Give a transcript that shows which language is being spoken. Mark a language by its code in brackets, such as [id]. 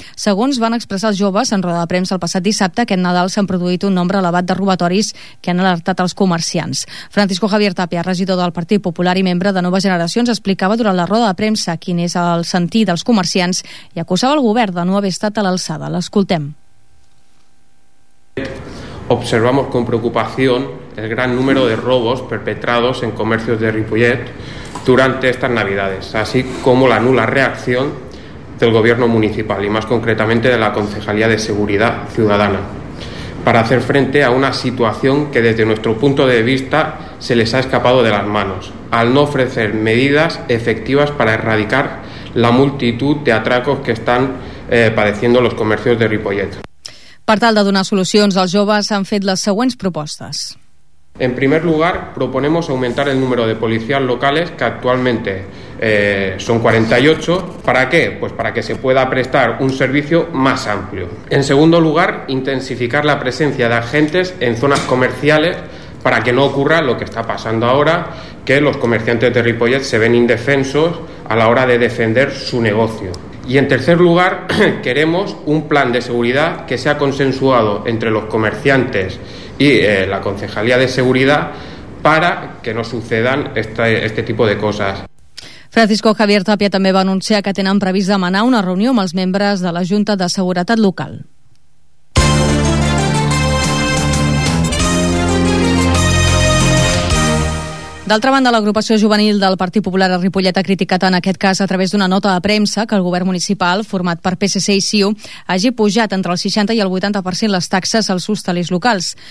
[ca] Segons van expressar els joves en roda de premsa el passat dissabte, aquest Nadal s'han produït un nombre elevat de robatoris que han alertat els comerciants. Francisco Javier Tapia, regidor del Partit Popular i membre de Noves Generacions, explicava durant la roda de premsa quin és el sentir dels comerciants i acusava el govern de no haver estat a l'alçada. L'escoltem. [es] Observamos con preocupación el gran número de robos perpetrados en comercios de Ripollet durante estas Navidades, así como la nula reacción del Gobierno Municipal y más concretamente de la Concejalía de Seguridad Ciudadana para hacer frente a una situación que desde nuestro punto de vista se les ha escapado de las manos, al no ofrecer medidas efectivas para erradicar la multitud de atracos que están padeciendo los comercios de Ripollet. [ca] Per tal de donar solucions, els joves han fet les següents propostes. [es] En primer lugar, proponemos aumentar el número de policías locales, que actualmente son 48. ¿Para qué? Pues para que se pueda prestar un servicio más amplio. En segundo lugar, intensificar la presencia de agentes en zonas comerciales para que no ocurra lo que está pasando ahora, que los comerciantes de Ripollet se ven indefensos a la hora de defender su negocio. Y en tercer lugar, queremos un plan de seguridad que sea consensuado entre los comerciantes y la Concejalía de Seguridad para que no sucedan este tipo de cosas. [ca] Francisco Javier Tapia també va anunciar que tenen previst demanar una reunió amb els membres de la Junta de Seguretat Local. D'altra banda, l'agrupació juvenil del Partit Popular a Ripollet ha criticat en aquest cas a través d'una nota de premsa que el govern municipal, format per PSC i CiU, hagi pujat entre el 60 i el 80% les taxes als hostalers locals.